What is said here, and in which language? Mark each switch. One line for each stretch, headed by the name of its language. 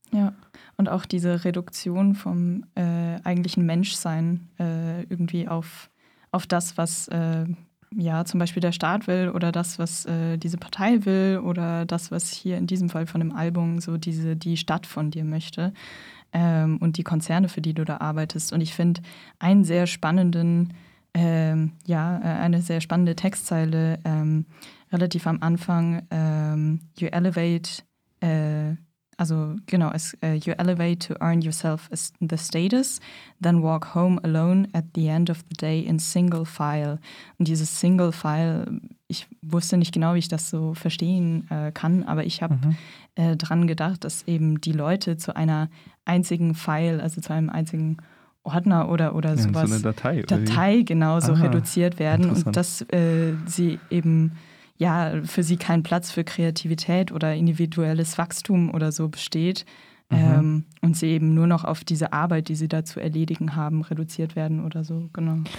German: Ja, und auch diese Reduktion vom eigentlichen Menschsein irgendwie auf das, was ja, zum Beispiel der Staat will oder das, was diese Partei will oder das, was hier in diesem Fall von dem Album so die Stadt von dir möchte und die Konzerne, für die du da arbeitest. Und ich finde einen sehr spannenden, eine sehr spannende Textzeile relativ am Anfang.
English: You elevate, you elevate to earn yourself the status, then walk home alone at the end of the day in single file.
German: Und dieses single file, ich wusste nicht genau, wie ich das so verstehen kann, aber ich habe dran gedacht, dass eben die Leute zu einer einzigen File, also zu einem einzigen Ordner oder sowas, so eine Datei, genauso reduziert werden und dass sie eben ja, für sie kein Platz für Kreativität oder individuelles Wachstum oder so besteht und sie eben nur noch auf diese Arbeit, die sie da zu erledigen haben, reduziert werden oder so, genau.